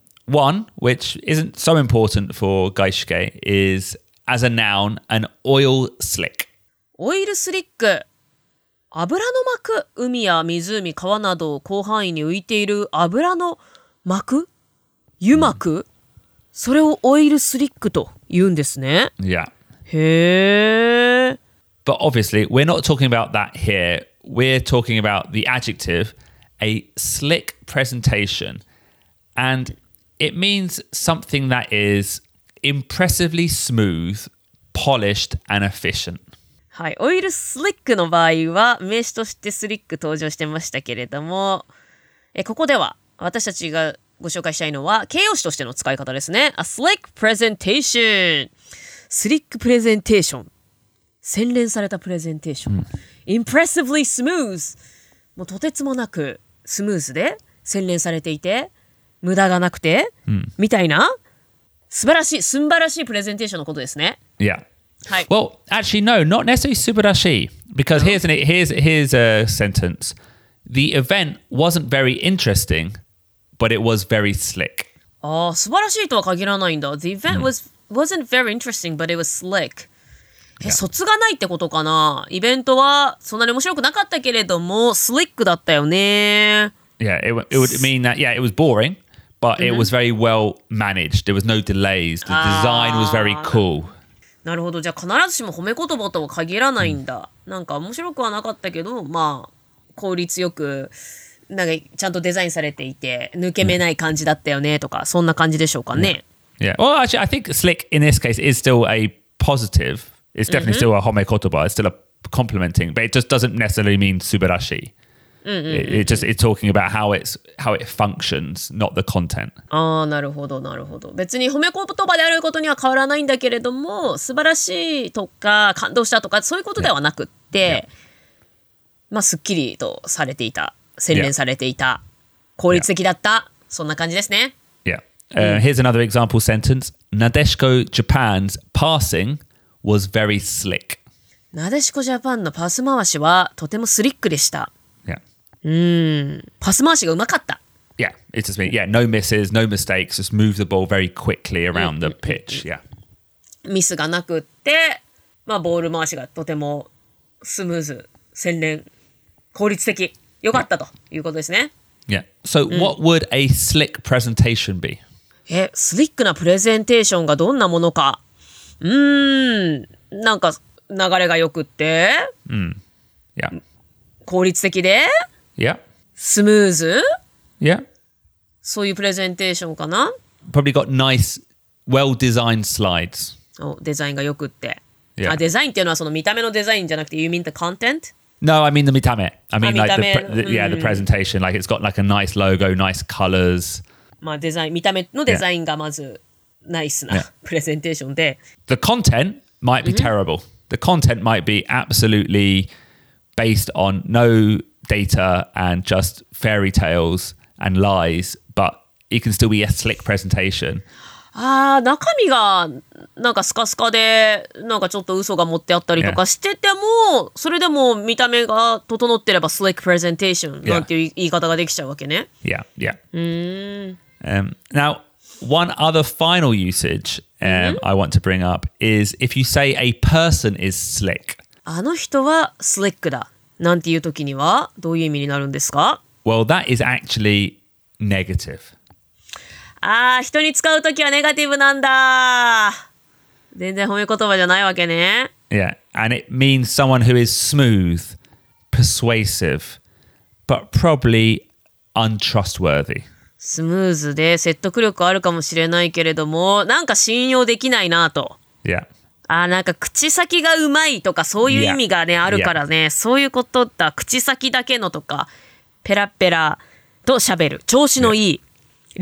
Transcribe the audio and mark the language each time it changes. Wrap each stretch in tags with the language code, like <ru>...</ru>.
<en>One, which isn't so important for gaishike, is as a noun, an oil slick. Oil slick.</en> <ja>油の膜、海や湖、川など広範囲に浮いている油の膜、油膜、mm. それをオイルスリックと言うんですね。</ja> <en>Yeah.</en> <ja>へー。</ja> <en>But obviously, we're not talking about that here. We're talking about the adjective, a slick presentation. And... It means something that is impressively smooth, polished, and efficient.</en> <ja>はい、オイルスリックの場合は名詞としてスリック登場してましたけれども、ここでは私たちがご紹介したいのは形容詞としての使い方ですね。</ja> <en>A slick presentation.</en> <ja>スリックプレゼンテーション。洗練されたプレゼンテーション。</ja> <en>Impressively smooth.</en> <ja>もうとてつもなくスムーズで洗練されていて、無駄がなくて、 mm. みたいな素晴らしい、素晴らしいプレゼンテーションのことですね。</ja> <en>Yeah.</en> <ja>はい。</ja> <en>Well, actually, no, not necessarily 素晴らしい because here's, an, here's, here's a sentence. The event wasn't very interesting, but it was very slick.</en> <ja>ああ、素晴らしいとは限らないんだ。</ja> <en>The event was,、mm. wasn't very interesting, but it was slick.</en> <ja>そつがないってことかな。イベントはそんなに面白くなかったけれども、スリックだったよね。</ja> <en>Yeah, it would mean that, yeah, it was boring, but it was very well managed. There was no delays. The design was very cool.</en> <ja>なるほど。じゃあ必ずしも褒め言葉とは限らないんだ。なんか面白くはなかったけど、まあ効率よく、なんかちゃんとデザインされていて、抜け目ない感じだったよねとか、そんな感じでしょうかね。</ja> <en>Yeah. Well, actually, I think slick in this case is still a positive. It's definitely still a 褒め言葉.It's still a complimenting, but it just doesn't necessarily mean 素晴らしい。 It's talking about how it functions, not the content.</en> <ja>ああ、なるほど、なるほど。別に褒め言葉であることには変わらないんだけれども、素晴らしいとか感動したとかそういうことではなくって、yeah. まあすっきりとされていた、洗練されていた、yeah. 効率的だった、yeah. そんな感じですね。</ja> <en>Yeah.、Here's another example sentence. Nadeshiko Japan's passing was very slick.</en> <ja>Nadeshiko Japan のパス回しはとてもスリックでした。パス回しがうまかった。</ja> <en>Yeah, it's just me. Yeah, no misses, no mistakes. Just move the ball very quickly around the pitch. Yeah.</en> <ja>ミスがなくって、まあボール回しがとてもスムーズ、洗練、効率的、良かったということですね。</ja> <en>Yeah. So what would a slick presentation be?</en> <ja>スリックなプレゼンテーションがどんなものか。なんか流れが良くって。</ja> <en>Yeah.</en> <ja>効率的で、</ja> <en>yeah.</en> <ja>スムーズ、</ja> <en>yeah.</en> <ja>そういうプレゼンテーションかな。</ja> <en>Probably got nice, well-designed slides.</en> <ja>お、デザインが良くって、</ja> <en>yeah.</en> <ja>あ、デザインっていうのはその見た目のデザインじゃなくて</ja> <en>You mean the content? No, I mean the 見た目 I mean like the presentation. Like it's got like a nice logo, nice colors.</en> <ja>まあデザイン、見た目のデザインがまずナイスな、yeah. プレゼンテーションで、</ja> <en>The content might be terrible. The content might be absolutelyBased on no data and just fairy tales and lies, but it can still be a slick presentation.</en> <ja>ああ、中身がなんかスカスカでなんかちょっと嘘が持ってあったりとかしてても、yeah. それでも見た目が整ってればスリックプレゼンテーションなんていう言い方ができちゃうわけね。</ja> <en>Yeah, yeah. Now, one other final usage I want to bring up is if you say a person is slick.</en> <ja>あの人はスリックだ。なんていうときにはどういう意味になるんですか？</ja> <en>Well, that is actually negative.</en> <ja>ああ、人に使うときはネガティブなんだ。全然褒め言葉じゃないわけね。</ja> <en>Yeah, and it means someone who is smooth, persuasive, but probably untrustworthy.</en> <ja>スムーズで説得力あるかもしれないけれども、なんか信用できないなと。</ja> <en>Yeah.</en> <ja>あ、なんか口先がうまいとかそういう意味がね、yeah. あるからね、yeah. そういうことだ。口先だけのとかペラペラと喋る調子のいい、yeah.</ja>